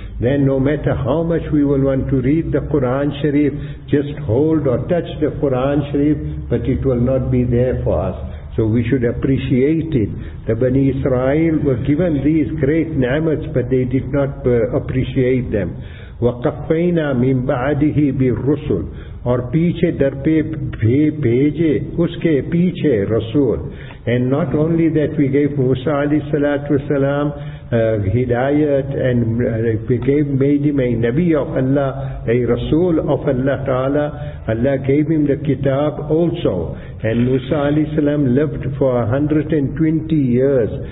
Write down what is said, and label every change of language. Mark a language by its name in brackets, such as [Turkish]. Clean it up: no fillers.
[English] Then no matter how much we will want to read the Quran Sharif, just hold or touch the Quran Sharif, but it will not be there for us. So we should appreciate it. The Bani Israel were given these great ni'mats, but they did not appreciate them. [Arabic] وَقَفَّيْنَا مِنْ بَعَدِهِ بِالرُّسُلِ [Urdu] اور پیچھے در پہ بھیجے اس کے پیچھے رسول. [English] And not only that, we gave Musa alayhi salatu wasalam hidayat and made him a Nabi of Allah, a Rasul of Allah Ta'ala. Allah gave him the kitab also. And Musa alayhi salam lived for 120 years.